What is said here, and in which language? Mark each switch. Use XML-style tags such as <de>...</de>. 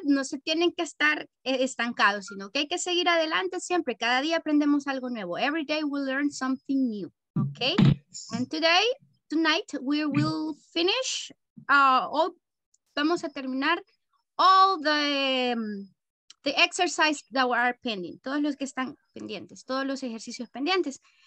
<es>No se tienen que estar estancados, sino que hay que seguir adelante siempre. Cada día aprendemos algo nuevo.</es> <en>Every day we learn something new, okay? And today, tonight, we will finish,</en> <es>vamos a terminar</es> <en>all the exercise that were pending.</en> <es>Todos los que están pendientes, todos los ejercicios pendientes.</es>